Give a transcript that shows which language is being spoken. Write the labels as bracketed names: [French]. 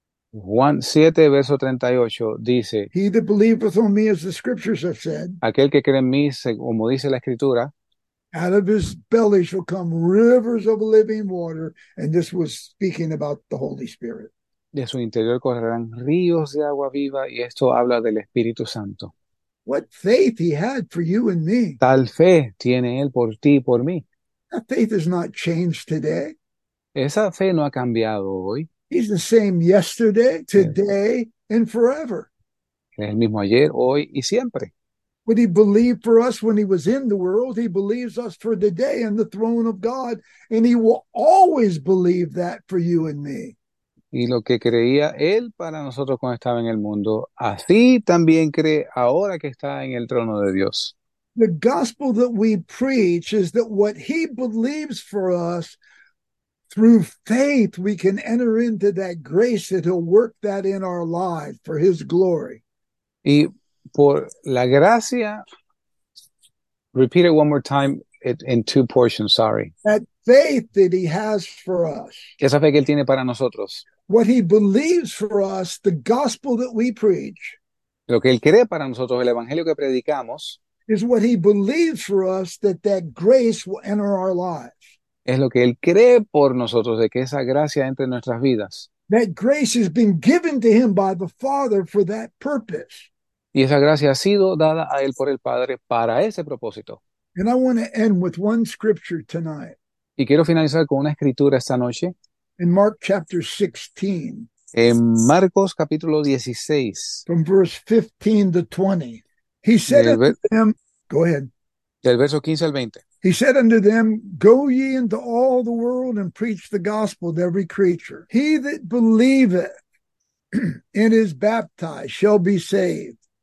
[Spanish] Juan 7, verso 38, dice, [English] he that believeth on me as the scriptures have said. [Spanish] Aquel que cree en mí, como dice la escritura, [English] out of his belly shall come rivers of living water. And this was speaking about the Holy Spirit. [Spanish] De su interior correrán ríos de agua viva. Y esto habla del Espíritu Santo. [English] What faith he had for you and me. [Spanish] Tal fe tiene él por ti y por mí. [English] That faith has not changed today. [Spanish] Esa fe no ha cambiado hoy. [English] He's the same yesterday, today, and forever. [Spanish] Es el mismo ayer, hoy y siempre. [English] What he believed for us when he was in the world, he believes us for today in the throne of God, and he will always believe that for you and me. [Spanish] y lo que creía él para nosotros cuando estaba en el mundo, así también cree ahora que está en el trono de Dios. [English] The gospel that we preach is that what he believes for us through faith, we can enter into that grace that he'll work that in our lives for his glory. [Spanish] Y por la gracia, [English] repeat it one more time in two portions, sorry. That faith that he has for us, [Spanish] Esa fe que él tiene para nosotros. [English] what he believes for us, the gospel that we preach, [Spanish] Lo que él cree para nosotros, el evangelio que predicamos, [English] is what he believes for us that that grace will enter our lives. [Spanish] es lo que él cree por nosotros, de que esa gracia entre en nuestras vidas. [English] That grace has been given to him by the Father for that purpose. [Spanish] Y esa gracia ha sido dada a él por el Padre para ese propósito. [English] And I want to end with one scripture tonight. [Spanish] Y quiero finalizar con una escritura esta noche. [English] In Mark chapter 16, [Spanish] En Marcos capítulo 16, [English] from verse 15 to 20, he said unto them, go ahead. [Spanish] del verso 15 al 20. [English] He said unto them, go ye into all the world and preach the gospel to every creature. He that believeth and is baptized shall be saved.